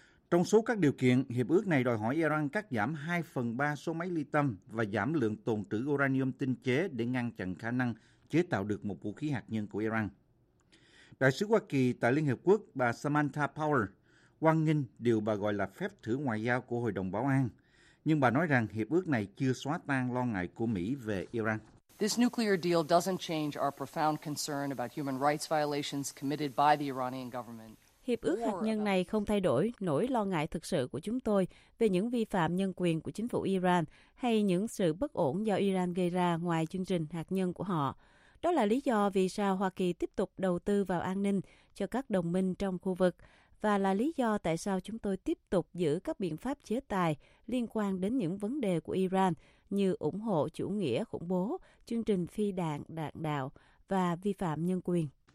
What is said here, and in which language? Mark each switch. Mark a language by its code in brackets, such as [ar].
[vi] Trong số các điều kiện, hiệp ước này đòi hỏi Iran cắt giảm 2/3 số máy ly tâm và giảm lượng tồn trữ uranium tinh chế để ngăn chặn khả năng chế tạo được một vũ khí hạt nhân của Iran. Đại sứ Hoa Kỳ tại Liên Hiệp Quốc bà Samantha Power hoan nghênh điều bà gọi là phép thử ngoại giao của Hội đồng Bảo an, nhưng bà nói rằng hiệp ước này chưa xóa tan lo ngại của Mỹ về Iran. [en] This nuclear deal doesn't change our profound concern about human rights violations committed by the Iranian government. [vi] Hiệp ước hạt nhân này không thay đổi nỗi lo ngại thực sự của chúng tôi về những vi phạm nhân quyền của chính phủ Iran hay những sự bất ổn do Iran gây ra ngoài chương trình hạt nhân của họ. Đó là lý do vì sao Hoa Kỳ tiếp tục đầu tư vào an ninh cho các đồng minh trong khu vực và là lý do tại sao chúng tôi tiếp tục giữ các biện pháp chế tài liên quan đến những vấn đề của Iran như ủng hộ chủ nghĩa khủng bố, chương trình phi đạn đạn đạo và vi phạm nhân quyền.